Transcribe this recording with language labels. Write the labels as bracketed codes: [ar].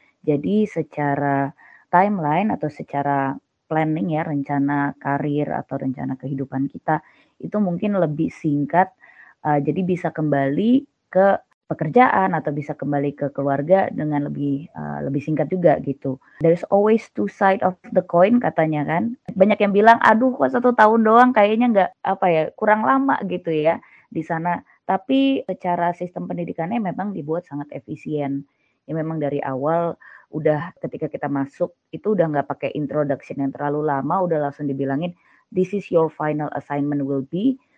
[id] Jadi secara timeline atau secara planning ya, rencana karir atau rencana kehidupan kita itu mungkin lebih singkat. Jadi bisa kembali ke pekerjaan atau bisa kembali ke keluarga dengan lebih singkat juga gitu. [en] There's always 2 sides of the coin [id] katanya kan. Banyak yang bilang, aduh kok 1 tahun doang kayaknya nggak apa ya, kurang lama gitu ya di sana. Tapi secara sistem pendidikannya memang dibuat sangat efisien. Ya memang dari awal udah ketika kita masuk itu udah nggak pakai introduction yang terlalu lama, udah langsung dibilangin [en] this is your final assignment will be.